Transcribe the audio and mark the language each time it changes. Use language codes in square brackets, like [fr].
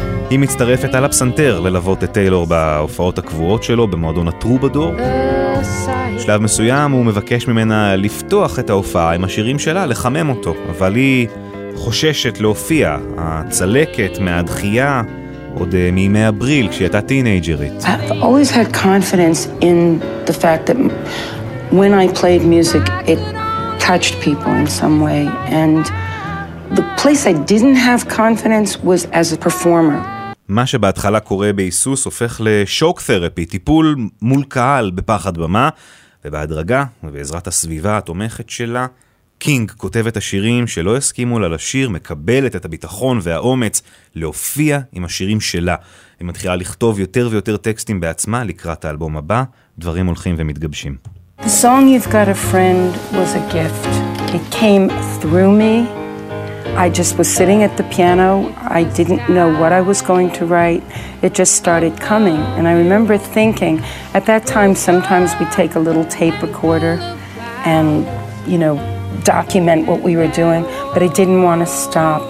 [he] היא מצטרפת על הפסנתר ללוות את טיילור בהופעות הקבועות שלו, במועדון הטרובדור. בשלב מסוים הוא מבקש ממנה לפתוח את ההופעה עם השירים שלה, לחמם אותו, אבל היא חוששת להופיע, הצלקת מהדחייה עוד מימי אבריל כשהיא הייתה טינג'רית. [en] I've always had confidence in the fact that when I played music it touched people in some way, and the place I didn't have confidence was as a performer. [he] מה שבהתחלה קורה בייסוס הופך לשוק תרפי, טיפול מול קהל בפחד במה, ובהדרגה ובעזרת הסביבה התומכת שלה, קינג כותב את השירים שלא הסכימו לה לשיר, מקבלת את הביטחון והאומץ להופיע עם השירים שלה. היא מתחילה לכתוב יותר ויותר טקסטים בעצמה לקראת האלבום הבא, דברים הולכים ומתגבשים. [en] The song You've Got a Friend was a gift. It came through me. I just was sitting at the piano. I didn't know what I was going to write. It just started coming. And I remember thinking, at that time, sometimes we take a little tape recorder and, you know, document what we were doing, but I didn't want to stop.